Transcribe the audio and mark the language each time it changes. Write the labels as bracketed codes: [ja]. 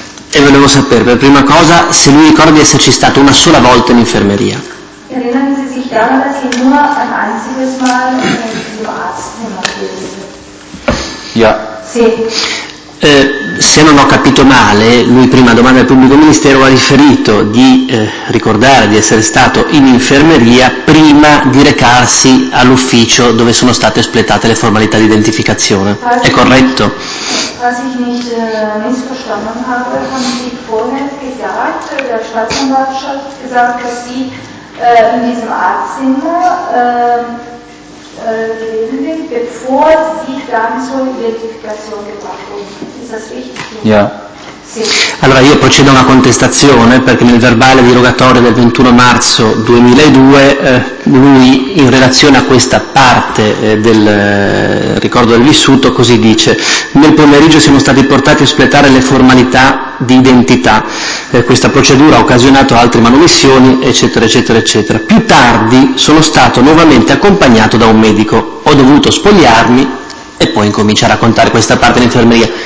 [it] E volevo sapere, per prima cosa, se lui ricorda di esserci stato una sola volta in infermeria. [de] Erinnern Sie sich daran, dass Sie nur ein einziges Mal in Infermeria? [it] sia. Sì. Se non ho capito male, lui prima domanda del pubblico ministero ha riferito di ricordare di essere stato in infermeria prima di recarsi all'ufficio dove sono state espletate le formalità di identificazione. È corretto? [de] Was ich nicht missverstanden habe, haben Sie vorher gesagt, der Staatsanwaltschaft gesagt, dass Sie in diesem Arztzimmer gewesen sind, bevor Sie dann zur Identifikation gebracht wurden. Ist das richtig? Ja. [it] Allora io procedo a una contestazione perché nel verbale di rogatorio del 21 marzo 2002 lui in relazione a questa parte del ricordo del vissuto così dice: nel pomeriggio siamo stati portati a espletare le formalità di identità, questa procedura ha occasionato altre manomissioni eccetera eccetera eccetera, più tardi sono stato nuovamente accompagnato da un medico, ho dovuto spogliarmi e poi incominciare a contare questa parte dell'infermeria.